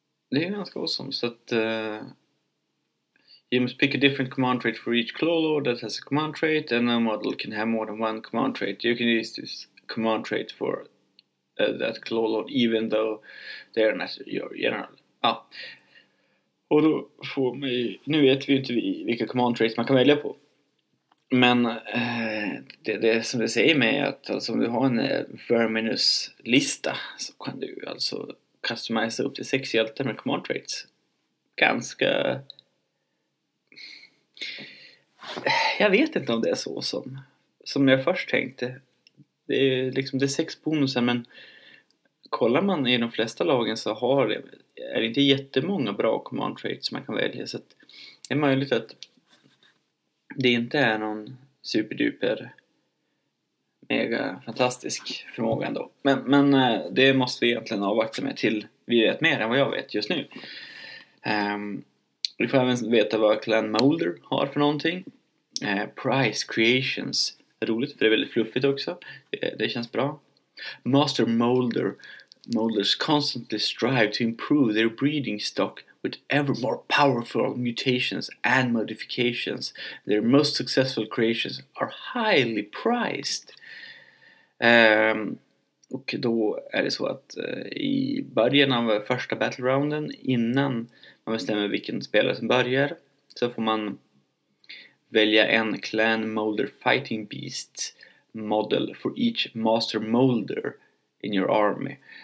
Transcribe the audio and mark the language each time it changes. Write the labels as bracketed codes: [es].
[sv] Det är ganska awesome. Så att [en] you must pick a different command trait for each claw lord that has a command trait, and a model can have more than one command trait. You can use this command trait for that claw lord even though they're not your general. Ah. [sv] Och då får man ju, nu vet vi ju inte vilka command traits man kan välja på. Men det som det säger mig är att alltså, om du har en Verminous-lista så kan du alltså customize upp till 6 hjältar med command traits. Ganska... Jag vet inte om det är så som jag först tänkte. Det är liksom det är 6 bonusar, men kollar man i de flesta lagen så är det inte jättemånga bra command traits man kan välja. Så att det är möjligt att det inte är någon superduper mega fantastisk förmåga ändå. Men det måste vi egentligen avvakta med till vi vet mer än vad jag vet just nu. Vi får även veta vad Clan Molder har för någonting. Prize Creations. Roligt, för det är väldigt fluffigt också. Det känns bra. Master Molder. [en] Molders constantly strive to improve their breeding stock with ever more powerful mutations and modifications. Their most successful creations are highly prized. [sv] Och då är det så att i början av första battle-rounden, innan man bestämmer vilken spelare som börjar, så får man välja en Clan Molder Fighting Beast model [en] for each Master Molder in your army.